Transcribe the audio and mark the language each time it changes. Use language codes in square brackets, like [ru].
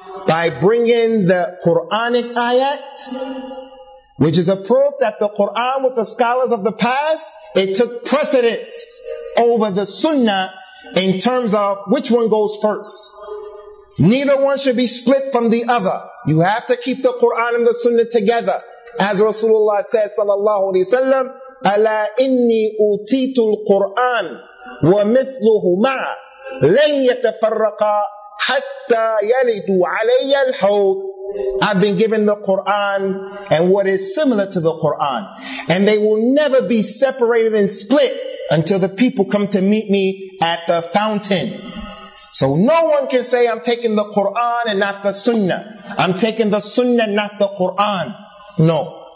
[en] By bringing the Quranic ayat, which is a proof that the Quran with the scholars of the past, it took precedence over the sunnah in terms of which one goes first. Neither one should be split from the other. You have to keep the Quran and the sunnah together. As Rasulullah says, [ar] sallallahu alayhi wa sallam, أَلَا إِنِّي أُوتِيتُ الْقُرْآنَ وَمِثْلُهُ مَعَ لَنْ يَتَفَرَّقَ حَتَّى يَلِدُوا عَلَيَّ الْحَوْضِ. [en] I've been given the Qur'an and what is similar to the Qur'an. And they will never be separated and split until the people come to meet me at the fountain. So no one can say I'm taking the Qur'an and not the sunnah. I'm taking the sunnah, not the Qur'an. No.